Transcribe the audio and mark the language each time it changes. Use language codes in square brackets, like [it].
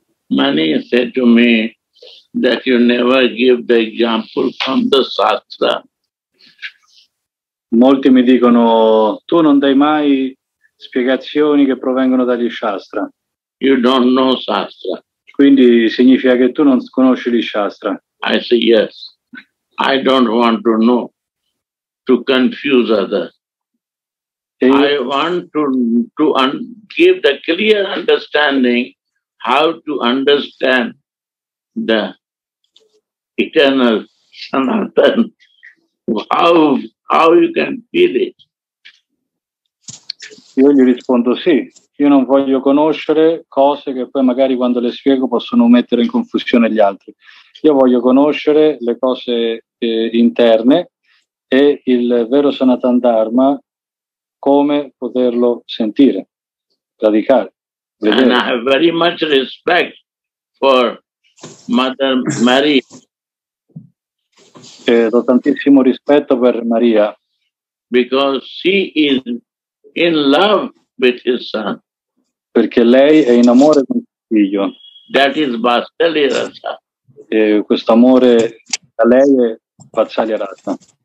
[en] Many said to me that you never give the example from the Shastra. [it] Molti mi dicono tu non dai mai spiegazioni che provengono dagli Shastra. [en] You don't know Shastra. [it] Quindi significa che tu non conosci gli Shastra. [en] I say yes. I don't want to know, to confuse others. I want to give the clear understanding how to understand the eternal Sanatana, how you can feel it. [it] Io gli rispondo sì, io non voglio conoscere cose che poi magari quando le spiego possono mettere in confusione gli altri. Io voglio conoscere le cose interne e il vero Sanatana Dharma, come poterlo sentire, praticare. Vedere. [en] And I have very much respect for Mother Mary. [it] Ho tantissimo rispetto per Maria. [en] Because she is in love with his son. [it] Perché lei è in amore con suo figlio. [en] That is Vatsalya Rasa. [it] E questo amore da lei è Vatsalya Rasa.